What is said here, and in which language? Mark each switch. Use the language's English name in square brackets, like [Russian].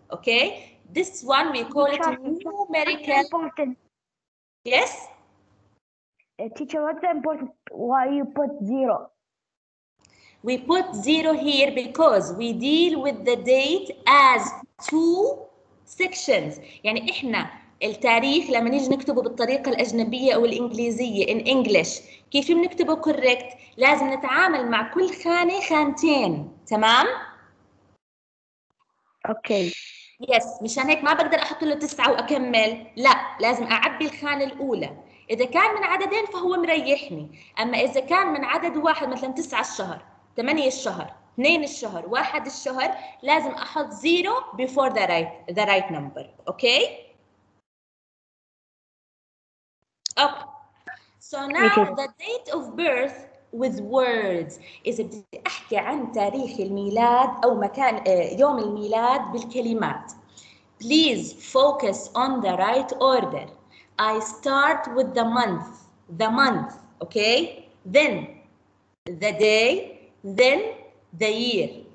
[English] Okay? This one we call it numerical. Yes? Teacher, what's the important, why you put 0? We put 0 here because we deal with the date as two sections. [Arabic] يعني إحنا التاريخ لما نيجي نكتبه بالطريقة الأجنبية أو الإنجليزية [English] in English [Arabic] كيف بنكتبه correct؟ لازم نتعامل مع كل خانة خانتين. تمام؟ [English] Okay. Yes. [Arabic] مشان هيك ما بقدر أحط له 9 وأكمل. لا. لازم أعبي الخانة الأولى. إذا كان من عددين فهو مريحني. أما إذا كان من عدد واحد مثلا 9 الشهر 8 الشهر اثنين الشهر واحد الشهر لازم احط زيرو [English] before the right number. [Arabic] اوكي okay. [English] So now the date of birth with words. [Arabic] اذا بدي احكي عن تاريخ الميلاد او مكان يوم الميلاد بالكلمات. [English] Please focus on the right order. I start with the month, okay? Then the day, then the year.